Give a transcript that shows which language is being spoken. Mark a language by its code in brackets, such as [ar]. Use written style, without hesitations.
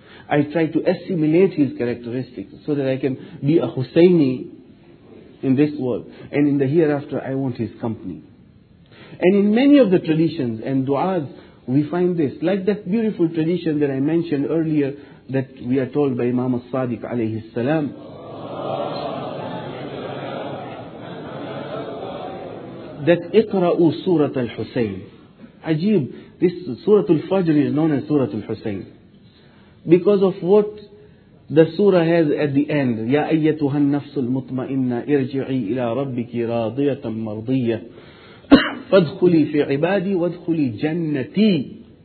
[en] I try to assimilate his characteristics so that I can be a Husseini in this world. And in the hereafter, I want his company. And in many of the traditions and du'as, we find this. Like that beautiful tradition that I mentioned earlier, that we are told by Imam al-Sadiq alayhi salam. That [ar] اقرأوا سورة الحسين. [en] Ajib, this Surah Al-Fajr is known as Surah Al-Hussein. Because of what the surah has at the end. [ar] يَا أَيَّتُهَا النَّفْسُ الْمُطْمَئِنَّ إِرْجِعِي إِلَىٰ رَبِّكِ رَاضِيَةً مَرْضِيَّةً فَادْخُلِي فِي عِبَادِي وَادْخُلِي جَنَّتِي.